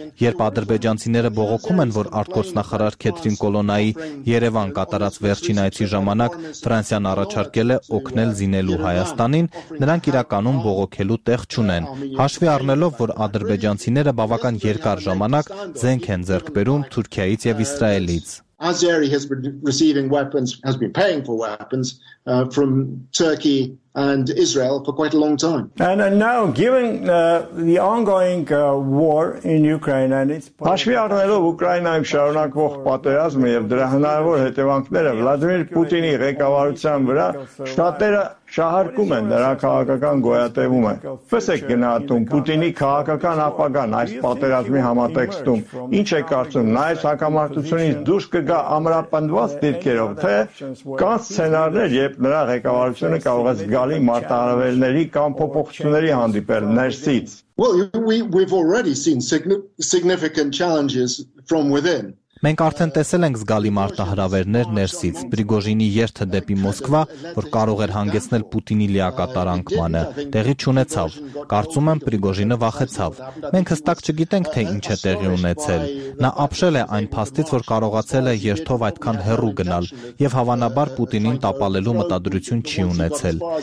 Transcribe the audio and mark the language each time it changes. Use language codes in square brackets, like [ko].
[hy] երբ ադրբեջանցիները բողոքում են, որ արտգործ նախարար Քեթրին Կոլոնայի Երևան կատարած վերջին այցի ժամանակ Ֆրանսիան առաջարկել է օգնել զինելու Հայաստանին, նրանք իրականում բողոքելու տեղ չունեն, հաշվի առնելով, որ ադրբեջանցիները բավական երկար ժամանակ զենք են ձեռք բերում Թուրքիայից եւ Իսրայելից։ [en] Azeri has been receiving weapons, has been paying for weapons from Turkey and Israel for quite a long time. And now, given the ongoing war in Ukraine and its [hy] Հաշվի առնելով Ուկրաինայում շարունակվող պատերազմը եւ դրա հնարավոր հետևանքները Վլադիմիր Պուտինի ղեկավարության վրա, շտատերը շահարկում են նրա քաղաքական գոյատևումը։ Ինչպես եք գնահատում Պուտինի քաղաքական ապագան այս պատերազմի համատեքստում։ Ինչ է կարծում, նա այս հակամարտությունից դուրս կգա ամրապնդված դիրքերով, թե կան սցենարներ, երբ նրա ղեկավարությունը կարող է գալի մարտահրավերների կամ փոփոխությունների հանդիպել ներսից։ [en] Well, we've already seen significant challenges from within. [hy] Մենք արդեն տեսել ենք զգալի մարտահրավերներ ներսից։ Պրիգոժինի երթը դեպի Մոսկվա, որ կարող էր հանգեցնել Պուտինի լիակատարանքմանը, տեղի չունեցավ։ Կարծում եմ, Պրիգոժինը վախեցավ։ Մենք հստակ չգիտենք, թե ինչ է տեղի ունեցել։ Նա ապշել է այն փաստից, որ կարողացել է երթով այդքան հեռու գնալ, եւ հավանաբար Պուտինին տապալելու մտադրություն չի ունեցել։